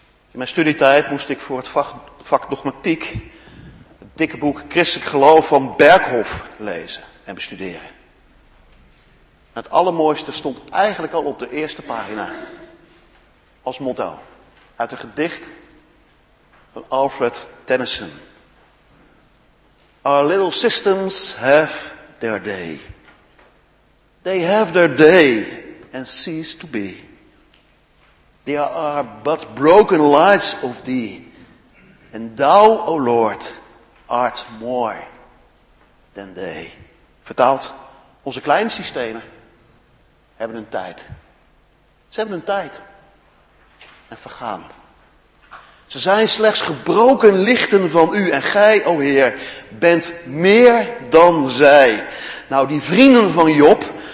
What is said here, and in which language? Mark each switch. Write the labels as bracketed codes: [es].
[nl] In mijn studietijd moest ik voor het vak dogmatiek het dikke boek Christelijk Geloof van Berghof lezen en bestuderen. Het allermooiste stond eigenlijk al op de eerste pagina. Als motto. Uit een gedicht van Alfred Tennyson. [en] Our little systems have their day. They have their day and cease to be. They are but broken lights of thee. And thou, O Lord, art more than they. [nl] Vertaald, onze kleine systemen hebben hun tijd. Ze hebben hun tijd. En vergaan. Ze zijn slechts gebroken lichten van u. En gij, o Heer, bent meer dan zij. Nou, die vrienden van Job